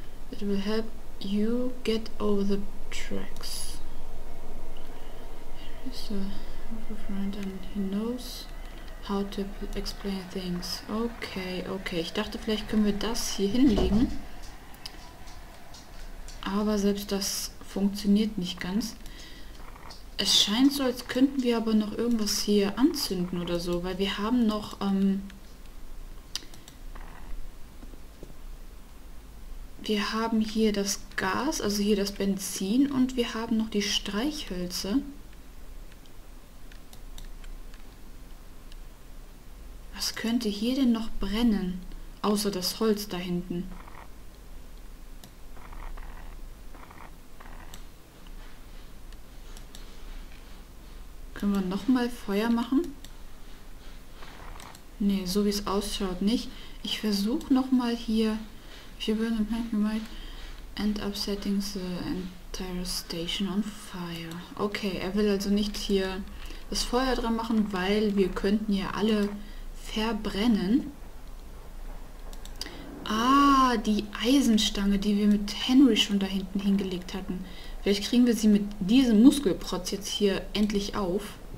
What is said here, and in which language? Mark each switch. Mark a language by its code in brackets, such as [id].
[en] It will help you get over the tracks. Here is a friend and he knows how to explain things. Okay, okay. [de] Ich dachte, vielleicht können wir das hier hinlegen. Aber selbst das funktioniert nicht ganz. Es scheint so, als könnten wir aber noch irgendwas hier anzünden oder so, weil wir haben noch wir haben hier das Gas, also hier das Benzin, und wir haben noch die Streichhölzer. Was könnte hier denn noch brennen, außer das Holz da hinten? Können wir noch mal Feuer machen? Nee, so wie es ausschaut, nicht. Ich versuche noch mal hier. [en] You burn the plant, you might end up setting the entire station on fire. [de] Okay, er will also nicht hier das Feuer dran machen, weil wir könnten ja alle verbrennen. Ah, die Eisenstange, die wir mit Henry schon da hinten hingelegt hatten. Vielleicht kriegen wir sie mit diesem Muskelprotz jetzt hier endlich auf.